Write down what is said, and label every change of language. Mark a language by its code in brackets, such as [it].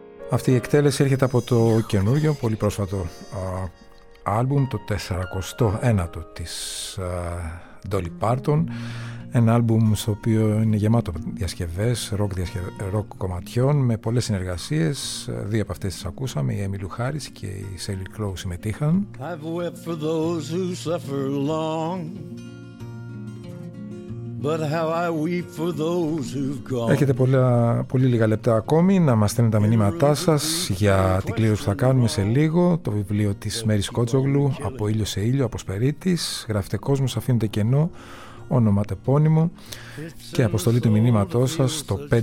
[el] Αυτή η εκτέλεση έρχεται από το καινούργιο, πολύ πρόσφατο άλμπουμ, το 49ο της Dolly Parton. Ένα άλμπουμ στο οποίο είναι γεμάτο διασκευές, ροκ κομματιών με πολλές συνεργασίες. Δύο από αυτές τις ακούσαμε, η Έμιλου Χάρις και η Σέλι Κλόου συμμετείχαν. [en] I've wept for those who suffer long, but how I weep for those who've gone. [el] Έχετε πολύ λίγα λεπτά ακόμη να μας στέλνετε τα μηνύματά σας για την κλήρωση που θα κάνουμε σε λίγο. Το βιβλίο της Μέρις Κότσογλου, Από ήλιο σε ήλιο, από Σπερίτης. Γράφετε κόσμο, αφήνετε κενό, όνομα τεπώνυμο και αποστολή του μηνύματός σας στο